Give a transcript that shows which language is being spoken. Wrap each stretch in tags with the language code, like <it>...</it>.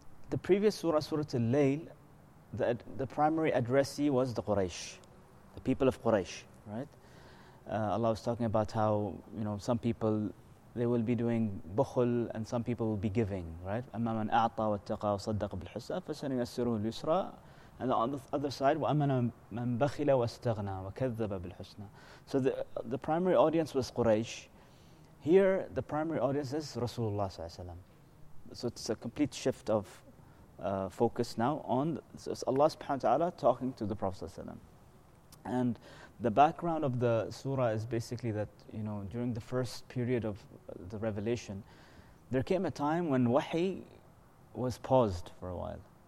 <en>The previous surah, Surah Al-Layl, the primary addressee was the Quraysh, the people of Quraysh, right? Allah was talking about how, you know, some people, they will be doing bukhul and some people will be giving, right?</en> <ar>أَمَّا مَنْ أَعْطَى وَاتَّقَى وَصَدَّقَ بِالْحُسْنَى فَسَنُيَسِّرُهُ الْيُسْرَى.</ar> <en>And on the other side,</en> <ar>وَأَمَّا مَنْ بَخِلَ وَاسْتَغْنَى وَكَذَّبَ بِالْحُسْنَى.</ar> <en>So the primary audience was Quraysh. Here, the primary audience is Rasulullah sallallahu alayhi wa sallam. So it's a complete shift of focus now on, so it's Allah subhanahu wa ta'ala talking to the Prophet sallallahu alayhi wa sallam. And the background of the surah is basically that, you know, during the first period of the revelation, there came a time when wahi was paused for a while.</en>